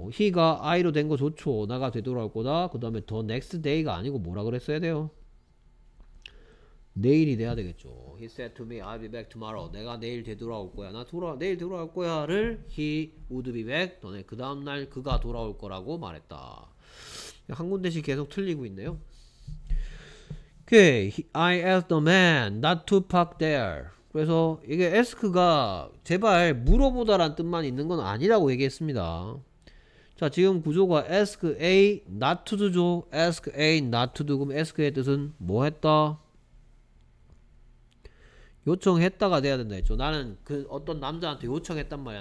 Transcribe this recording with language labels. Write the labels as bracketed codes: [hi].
[ko] he가 I로 된 거 좋죠. 나가 되돌아올 거다 그 다음에 the next day가 아니고 뭐라 그랬어야 돼요 내일이 돼야 되겠죠. [en] He said to me, I'll be back tomorrow. [ko] 내가 내일 되돌아올 거야. 내일 돌아올 거야를 [en] He would be back. [ko] 너네 그 다음날 그가 돌아올 거라고 말했다. 한 군데씩 계속 틀리고 있네요. Okay. [en] I asked the man not to park there. [ko] 그래서 이게 ask가 제발 물어보다 라는 뜻만 있는 건 아니라고 얘기했습니다. 자 지금 구조가 [en] ask A not to do [ko] 죠. [en] ask A not to do. [ko] 그럼 ask의 뜻은 뭐 했다? 요청했다가 돼야 된다 했죠. 나는 그 어떤 남자한테 요청했단 말이야.